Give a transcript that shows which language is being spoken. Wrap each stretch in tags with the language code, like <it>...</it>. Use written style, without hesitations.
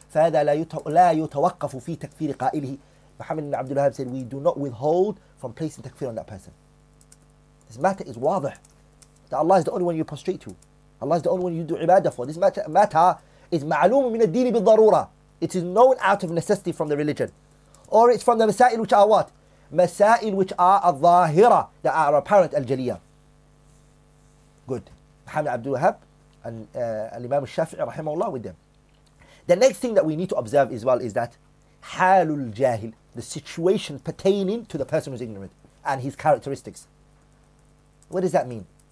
<ar>فهذا لا يتوقف في تكفير قائله.</ar> <en>Muhammad ibn Abdul Wahhab said, we do not withhold from placing takfir on that person. This matter is wadih. That Allah is the only one you prostrate to. Allah is the only one you do ibadah for. This matter is</en> <ar>معلوم من الدين بالضرورة.</ar> <en>It is known out of necessity from the religion. Or it's from the مسائل which are what? مسائل which are الظاهرة that are apparent الجلية good محمد عبد الوهاب الإمام الشافعي</en> <ar>رحمه الله</ar> <en>with them the next thing that we need to observe as well is that</en> <ar>حال الجاهل</ar> <en>the situation pertaining to the person who is ignorant and his characteristics what does that mean?</en>